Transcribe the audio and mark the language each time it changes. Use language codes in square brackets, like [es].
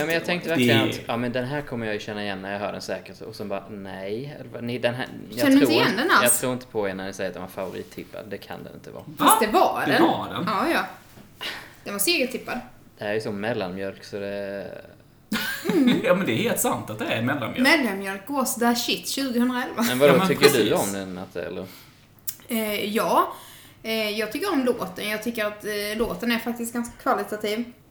[sv] Ja, men jag tänkte verkligen att ja, men den här kommer jag ju känna igen när jag hör den säkert. Och sen bara, nej. Jag tror inte på er när ni säger att den var favorittippad. Det kan det inte vara. Fast det var den. Det var den. Ja. Den var segertippad. Det här är ju som mellanmjölk, så det... Mm. Ja, men det är helt sant att det är mellanmjölk. [en] Mellanmjölk was that shit 2011. [sv] Men vad ja, tycker precis. Du om den? Eller? Jag tycker om låten. Jag tycker att låten är faktiskt ganska kvalitativ.